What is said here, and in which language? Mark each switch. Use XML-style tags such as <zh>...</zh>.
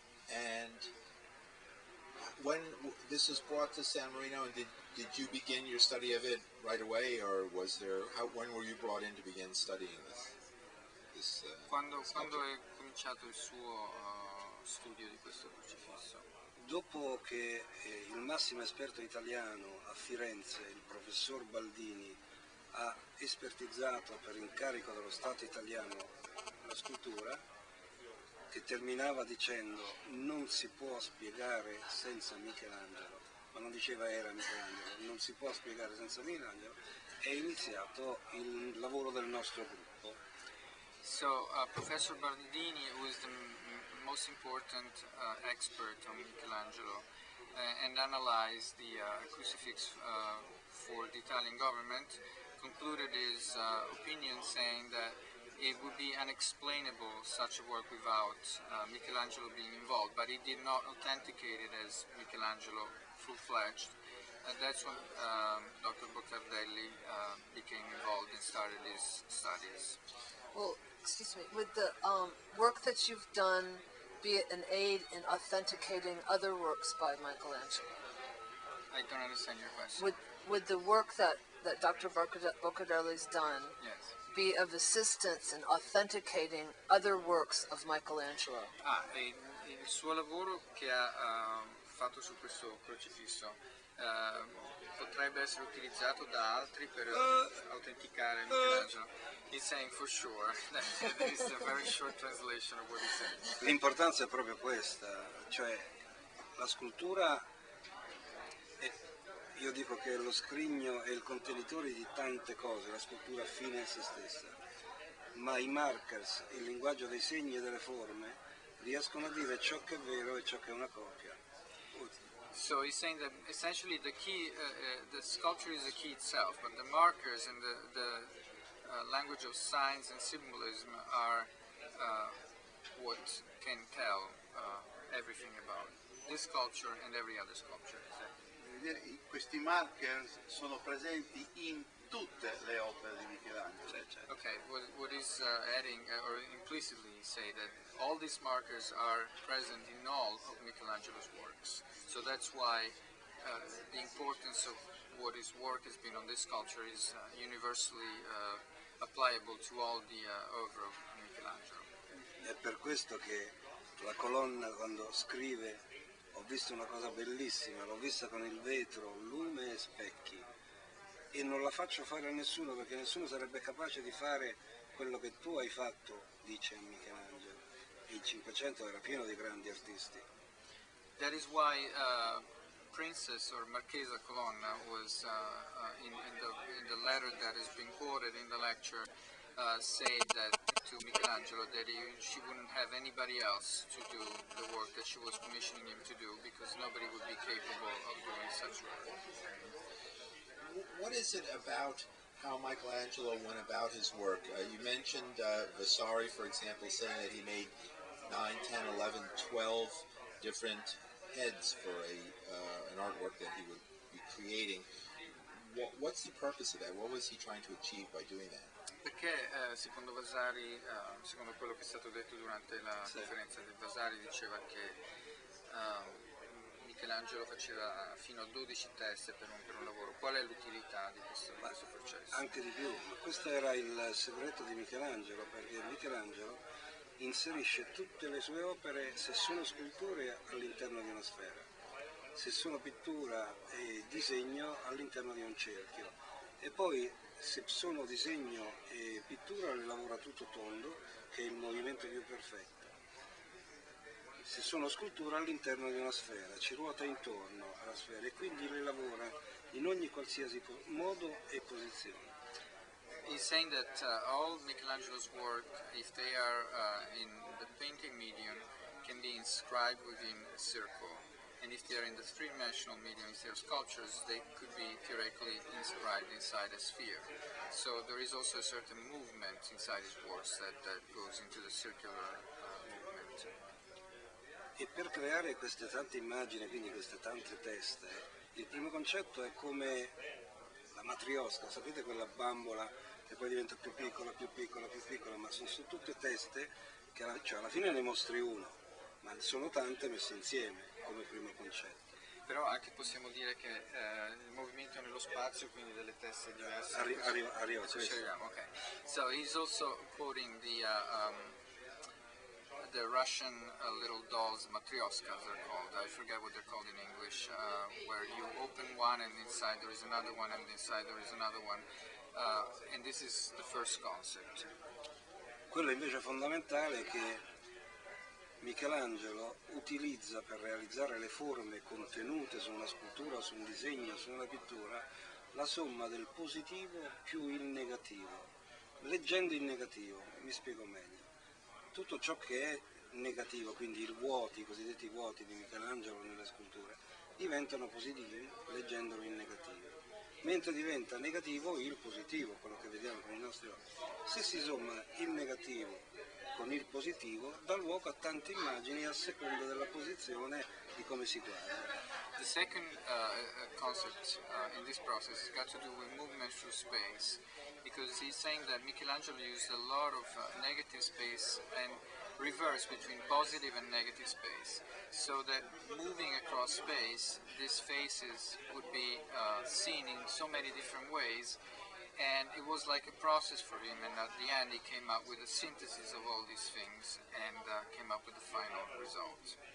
<en>And when this was brought to San Marino, and did you begin your study of it right away, or was there? How, when were you brought in to begin studying this?</en> <it>Quando è cominciato il suo studio di questo crocifisso? Dopo che il massimo esperto italiano a Firenze, il professor Baldini, ha espertizzato per incarico dello Stato italiano la scultura, che terminava dicendo non si può spiegare senza Michelangelo, ma non diceva era Michelangelo, non si può spiegare senza Michelangelo, è iniziato il lavoro del nostro gruppo.</it> <en>So, Professor Baldini, who is the most important expert on Michelangelo, and analyzed the crucifix for the Italian government, concluded his opinion saying that it would be unexplainable such a work without Michelangelo being involved, but he did not authenticate it as Michelangelo full-fledged. And that's when Dr. Boccardelli became involved and started his studies. Well, excuse me, with the work that you've done, be it an aid in authenticating other works by Michelangelo? I don't understand your question. Would the work that Dr. Boccardelli's done, yes, be of assistance in authenticating other works of Michelangelo?</en> <it>Ah, il suo lavoro che ha fatto su questo crocifisso potrebbe essere utilizzato da altri per autenticare Michelangelo.</it> <en>He's saying for sure. This is a very short translation of what he's saying.</en> <it>L'importanza è proprio questa, cioè la scultura. Io dico che lo scrigno è il contenitore di tante cose, la scultura fine a se stessa, ma i markers, il linguaggio dei segni e delle forme, riescono a dire ciò che è vero e ciò che è una copia.</it> <en>So he's saying that essentially the key, the sculpture is the key itself, but the markers and the language of signs and symbolism are what can tell everything about this sculpture and every other sculpture.</en> <it>questi markers sono presenti in tutte le opere di Michelangelo.</it> <en>Okay, what is adding or implicitly say that all these markers are present in all of Michelangelo's works. So that's why the importance of what his work has been on this sculpture is universally applicable to all the oeuvre of Michelangelo.</en> <it>È per questo che la colonna quando scrive ho visto una cosa bellissima, l'ho vista con il vetro, lume e specchi, e non la faccio fare a nessuno perché nessuno sarebbe capace di fare quello che tu hai fatto, dice Michelangelo. Il Cinquecento era pieno di grandi artisti.</it> <en>That is why Princess or Marchesa Colonna was in the letter that has been quoted in the lecture said that to Michelangelo that she wouldn't have anybody else to do the work that she was commissioning him to do because nobody would be capable of doing such work. What is it about how Michelangelo went about his work? You mentioned Vasari, for example, saying that he made 9, 10, 11, 12 different heads for an artwork that he would be creating. What's the purpose of that? What was he trying to achieve by doing that?</en> <it>Perché secondo Vasari, secondo quello che è stato detto durante la conferenza di Vasari, diceva che Michelangelo faceva fino a 12 teste per un lavoro. Qual è l'utilità di questo processo? Anche di più, ma questo era il segreto di Michelangelo, perché Michelangelo inserisce tutte le sue opere, se sono sculture, all'interno di una sfera, se sono pittura e disegno, all'interno di un cerchio, e poi se sono disegno e pittura le lavora tutto tondo, che è il movimento più perfetto, se sono scultura all'interno di una sfera, ci ruota intorno alla sfera e quindi le lavora in ogni qualsiasi modo e posizione.</it> <en>He's saying that all Michelangelo's work, if they are in the painting medium, can be inscribed within a circle. And if they are in the three-dimensional medium, if they are sculptures, they could be theoretically inscribed inside a sphere. So there is also a certain movement inside his works that goes into the circular movement.</en> <it>E per creare queste tante immagini, quindi queste tante teste, il primo concetto è come la matrioska, sapete quella bambola che poi diventa più piccola, più piccola, più piccola, ma sono tutte teste che alla fine ne mostri uno, ma sono tante messe insieme come primo concetto. Però anche possiamo dire che il movimento nello spazio, quindi delle teste diverse, arriva a questo.</it> <en>Okay. So he's also quoting the Russian little dolls, matryoshkas they're called, I forget what they're called in English, where you open one and inside there is another one and inside there is another one. And this is the first concept.</en> <it>Quello invece fondamentale è che Michelangelo utilizza per realizzare le forme contenute su una scultura, su un disegno, su una pittura, la somma del positivo più il negativo. Leggendo il negativo, mi spiego meglio, tutto ciò che è negativo, quindi i vuoti, i cosiddetti vuoti di Michelangelo nelle sculture, diventano positivi leggendolo in negativo. Mentre diventa negativo il positivo, quello che vediamo con i nostri occhi. Se si somma il negativo con il positivo, dà luogo a tante immagini a seconda della posizione di come si guarda.</it> <en>The second concept in this process has got to do with movement through space, because he's saying that Michelangelo used a lot of negative space and reverse between positive and negative space, so that moving across space, these faces would be seen in so many different ways, and it was like a process for him, and at the end he came up with a synthesis of all these things and came up with the final result.</en>